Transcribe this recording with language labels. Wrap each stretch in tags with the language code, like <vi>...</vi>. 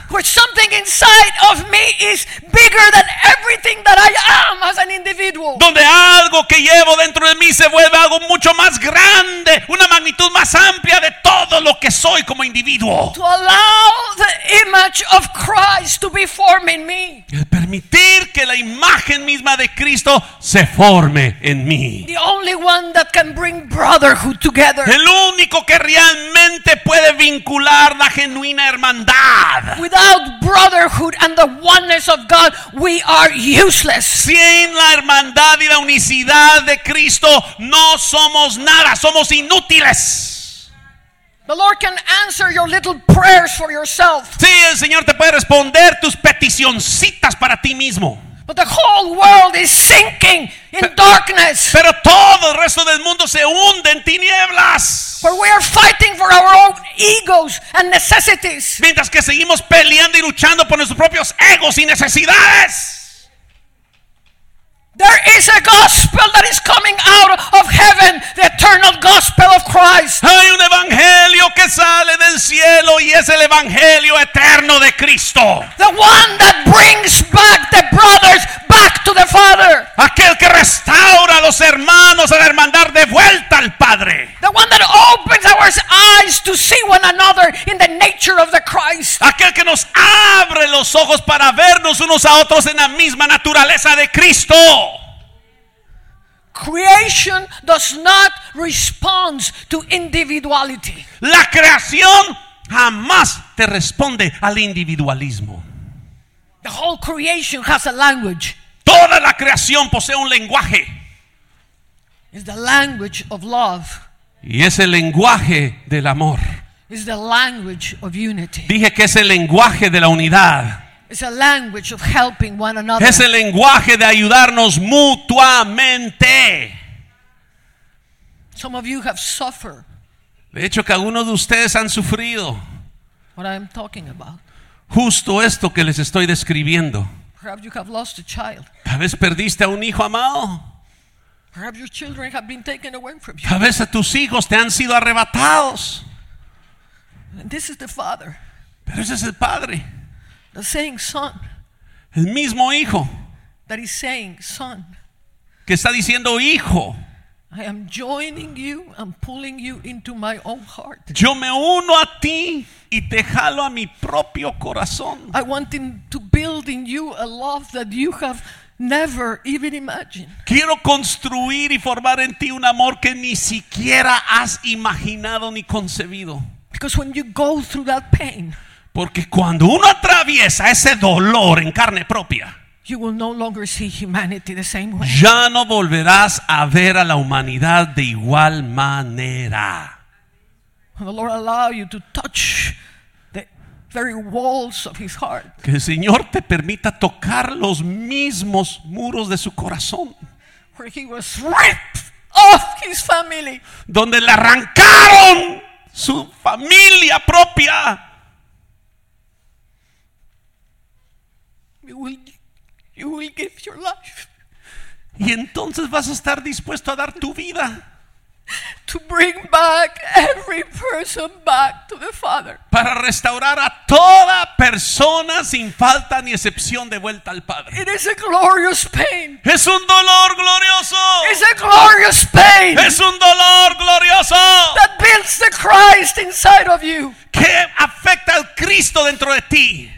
<en>Where something inside of me is bigger than everything that I am as an individual.</en> <es>Donde algo que llevo dentro de mí se vuelve algo mucho más grande, una magnitud más amplia de todo lo que soy como individuo.</es> <en>To allow the image of Christ to be forming me.</en> <es>El permitir que la imagen misma de Cristo se forme en mí.</es> <en>The only one that can bring brotherhood together.</en> <es>El único que realmente puede vincular la genuina hermandad.</es> <en>Without brotherhood and the oneness of God, we are useless.</en> <es>Sin la hermandad y la unicidad de Cristo, no somos nada, somos inútiles.</es> <en>The Lord can answer your little prayers for yourself.</en> <es>Sí, el Señor te puede responder tus peticioncitas para ti mismo.</es> <en>But the whole world is sinking in darkness.</en> <es>Pero todo el resto del mundo se hunde en tinieblas.</es> <en>For we are fighting for our own egos and necessities.</en> <es>Mientras que seguimos peleando y luchando por nuestros propios egos y necesidades.</es> <en>There is a gospel that is coming out of heaven, the eternal gospel of Christ.</en> <es>Hay un evangelio que sale del cielo y es el evangelio eterno de Cristo.</es> <en>The one that brings back the brothers back to the Father.</en> <es>Aquel que restaura a los hermanos a la hermandad de vuelta al Padre.</es> <en>The one that opens our eyes to see one another in the nature of the Christ.</en> <es>Aquel que nos abre los ojos para vernos unos a otros en la misma naturaleza de Cristo.</es> <en>Creation does not respond to individuality.</en> <es>La creación jamás te responde al individualismo.</es> <en>The whole creation has a language.</en> <es>Toda la creación posee un lenguaje.</es> <en>It's the language of love.</en> <es>Y es el lenguaje del amor.</es> <en>It's the language of unity.</en> <es>Dije que es el lenguaje de la unidad.</es> <en>It's a language of helping one another.</en> <es>Es el lenguaje de ayudarnos mutuamente.</es> <en>Some of you have suffered.</en> <es>De hecho, que algunos de ustedes han sufrido.</es> <en>What I'm talking about.</en> <es>Justo esto que les estoy describiendo.</es> <en>Perhaps you have lost a child.</en> <es>Tal vez perdiste a un hijo amado.</es> <en>Perhaps your children have been taken away from you.</en> <es>Tal vez a tus hijos te han sido arrebatados.</es> <en>And this is the Father.</en> <es>Pero ese es el Padre.</es> <en>The saying son.</en> <es>El mismo hijo.</es> <en>That is saying son.</en> <es>Que está diciendo hijo.</es> <en>I am joining you and pulling you into my own heart.</en> <es>Yo me uno a ti y te jalo a mi propio corazón.</es> <en>I want to build in you a love that you have never even imagined.</en> <es>Quiero construir y formar en ti un amor que ni siquiera has imaginado ni concebido.</es> <en>Because when you go through that pain,</en> <es>porque cuando uno atraviesa ese dolor en carne propia,</es> <en>you will no longer see humanity the same way.</en> <es>Ya no volverás a ver a la humanidad de igual manera.</es> <en>The Lord allow you to touch the very walls of his heart.</en> <es>Que el Señor te permita tocar los mismos muros de su corazón.</es> <en>Where he was ripped off his family.</en> <es>Donde le arrancaron su familia propia.</es> <en>You will give your life.</en> <es>Y entonces vas a estar dispuesto a dar tu vida.</es> <en>To bring back every person back to the Father.</en> <es>Para restaurar a toda persona sin falta ni excepción de vuelta al Padre.</es> <en>It is a glorious pain.</en> <es>Es un dolor glorioso.</es> <en>It's a glorious pain.</en> <es>Es un dolor glorioso.</es> <en>That builds the Christ inside of you.</en> <es>Que afecta al Cristo dentro de ti.</es>